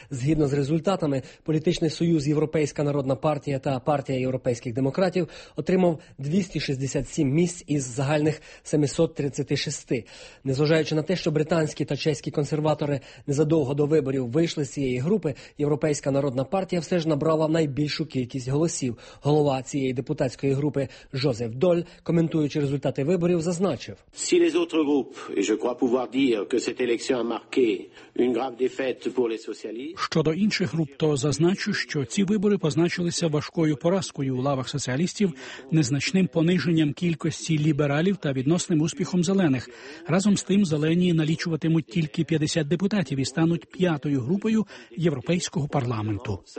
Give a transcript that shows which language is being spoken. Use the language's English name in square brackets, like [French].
[Ukrainian] Згідно з результатами, Політичний союз Європейська народна партія та Партія європейських демократів отримав 267 місць із загальних 736. Незважаючи на те, що британські та чеські консерватори незадовго до виборів вийшли з цієї групи, Європейська народна партія все ж набрала найбільшу кількість голосів. Голова цієї депутатської групи Жозеф Доль, коментуючи результати виборів, зазначив: [French] Si les autres groupes, et je crois pouvoir dire que cette élection a marqué une grave défaite pour les socialistes. [Ukrainian] Щодо інших груп, то зазначу, що ці вибори позначилися важкою поразкою у лавах соціалістів, незначним пониженням кількості лібералів та відносним успіхом зелених. Разом з тим, зелені налічуватимуть тільки 50 депутатів і стануть п'ятою групою Європейського парламенту.